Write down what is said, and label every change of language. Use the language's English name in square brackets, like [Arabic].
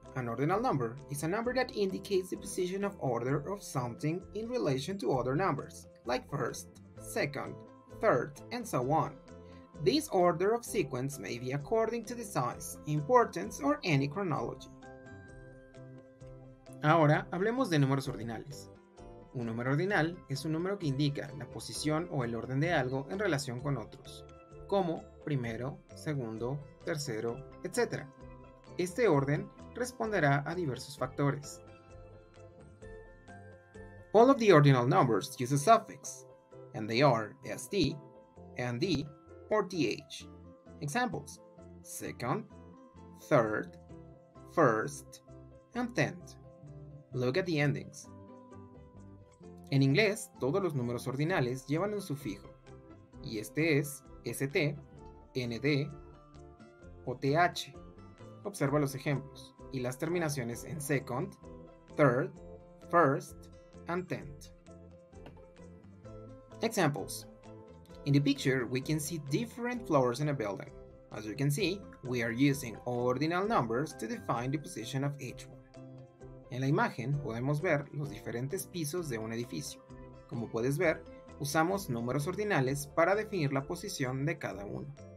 [English] An ordinal number is a number that indicates the position of order of something in relation to other numbers, like first, second, third, and so on. This order of sequence may be according to the size, importance, or any chronology. [Spanish] Ahora hablemos de números ordinales. Un número ordinal es un número que indica la posición o el orden de algo en relación con otros, como primero, segundo, tercero, etc. Este orden responderá a diversos factores. [English] All of the ordinal numbers use a suffix, and they are st, nd, or th. Examples: second, third, first, and tenth. Look at the endings. [Spanish] En inglés, todos los números ordinales llevan un sufijo, y este es st, nd o th. Observa los ejemplos y las terminaciones en [English] second, third, first, and tenth. Examples. In the picture, we can see different floors in a building. As you can see, we are using ordinal numbers to define the position of each one. [Spanish] En la imagen podemos ver los diferentes pisos de un edificio. Como puedes ver, usamos números ordinales para definir la posición de cada uno.